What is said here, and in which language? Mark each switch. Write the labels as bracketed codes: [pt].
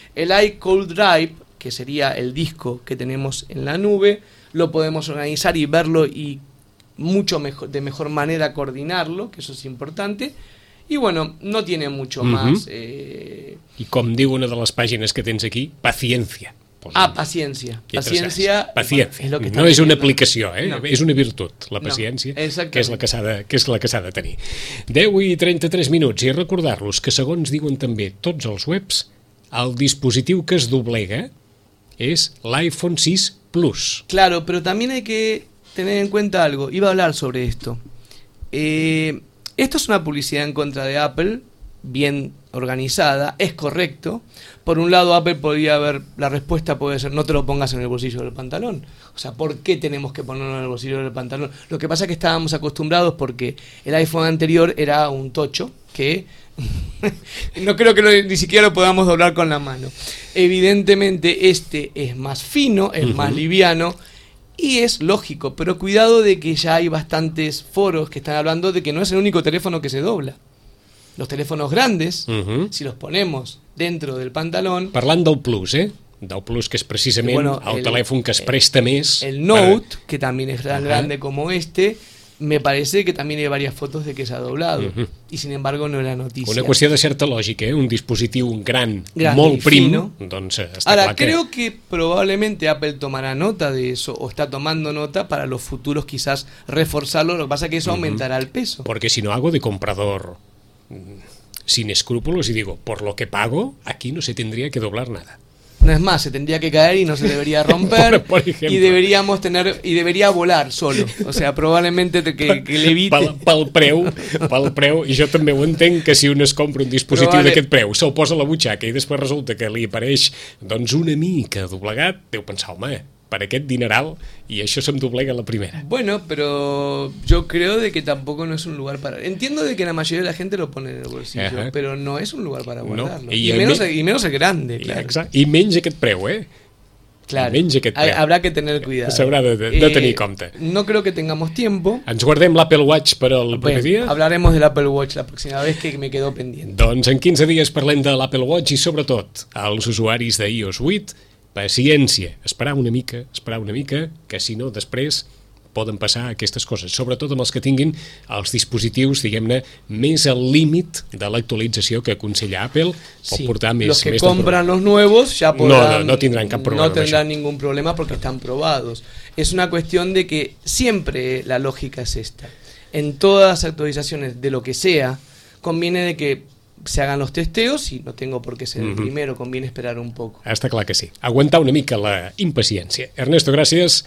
[es] El iCloud Drive, que sería el disco que tenemos en la nube, lo podemos organizar y verlo y mucho mejor, de mejor manera coordinarlo, que eso es importante. Y bueno, no tiene mucho más. Y como digo, una de las páginas que tienes aquí, paciencia. Ah, paciencia. Paciencia, paciencia. [ca] Bueno, no és una aplicació, no. És una virtut, la paciència, que és la que s'ha de tenir. 10:33, i recordar-los que segons diuen també tots els webs, el dispositiu que es doblega és l'iPhone 6 Plus. [es] Claro, pero también hay que tener en cuenta algo. Iba a hablar sobre esto. Esto es una publicidad en contra de Apple, bien organizada, es correcto. Por un lado, Apple podría haber, la respuesta puede ser, no te lo pongas en el bolsillo del pantalón. O sea, ¿por qué tenemos que ponerlo en el bolsillo del pantalón? Lo que pasa es que estábamos acostumbrados porque el iPhone anterior era un tocho que no creo que ni siquiera lo podamos doblar con la mano. Evidentemente, este es más fino, es más liviano y es lógico, pero cuidado de que ya hay bastantes foros que están hablando de que no es el único teléfono que se dobla. Los teléfonos grandes, si los ponemos dentro del pantalón. [ca] Parlant del Plus, [es] Del Plus, que es precisamente bueno, el teléfono que se presta más. El Note, que también es grande como este, me parece [ca] que també hi ha diverses fotos de que s'ha doblat. Uh-huh. I, [es] sin embargo, [ca] no era notícia. Una qüestió de certa lògica, eh? Un dispositiu gran, gran molt prim. Doncs està ara, clar que... [es] creo que [ca] probablement [es] Apple tomarà nota de eso, o està tomando nota para los futuros quizás reforzarlo, lo que pasa es que eso aumentará el peso. Porque si no hago de comprador sin escrúpulos y digo, por lo que pago, aquí no se tendría que doblar nada. No es más, se tendría que caer y no se debería romper. Por ejemplo, y deberíamos tener y debería volar solo. O sea, probablemente que levite. [ca] Pel preu, i jo també ho entenc, que si un es compra un dispositiu d'aquest preu, se'l posa a la butxaca i després resulta que li apareix doncs una mica doblegat, deu pensar, home, per aquest dineral, i això se'm doblega la primera. [es] Bueno, pero yo creo de que tampoco no es un lugar para... Entiendo de que la mayoría de la gente lo pone en el bolsillo, uh-huh. pero no es un lugar para guardarlo. Y menos el grande, claro. [ca] Exacte. I menys aquest preu, eh? [es] Claro. [ca] I menys aquest preu. [es] Habrá que tener cuidado. [ca] S'haurà de tenir compte. [es] No creo que tengamos tiempo. [ca] Ens guardem l'Apple Watch per el primer dia? [es] Hablaremos de l'Apple Watch la próxima vez que me quedo pendiente. [ca] Doncs en 15 dies parlem de l'Apple Watch i sobretot als usuaris d'iOS 8... paciència, esperar una mica, que si no després poden passar aquestes coses, sobretot amb els que tinguin els dispositius, diguem-ne, més al límit de l'actualització que aconsella Apple, sí, o portar més... [es] Los que compran los nuevos ya podrán... [ca] No tindran cap problema. No tindran [es] ningún problema porque están probados. Es una cuestión de que siempre la lógica es esta. En todas las actualizaciones, de lo que sea, conviene de que se hagan los testeos y no tengo por qué ser el primero, conviene esperar un poco. [ca] Està clar que sí. Aguantar una mica la impaciència. Ernesto, gràcies.